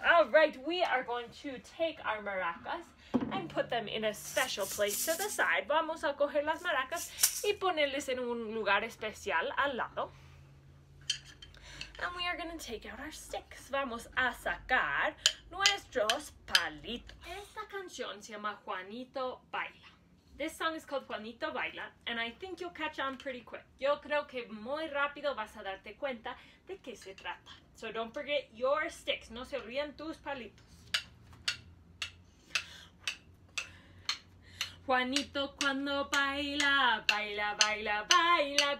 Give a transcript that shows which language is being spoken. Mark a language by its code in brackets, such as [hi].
[en] All right, we are going to take our maracas and put them in a special place to the side. [es] Vamos a coger las maracas y ponerles en un lugar especial al lado. [en] And we are going to take out our sticks. [es] Vamos a sacar nuestros palitos. Esta canción se llama Juanito Baila. [en] This song is called Juanito Baila, and I think you'll catch on pretty quick. [es] Yo creo que muy rápido vas a darte cuenta de qué se trata. [en] So don't forget your sticks. [es] No se olviden tus palitos. Juanito cuando baila, baila, baila, baila.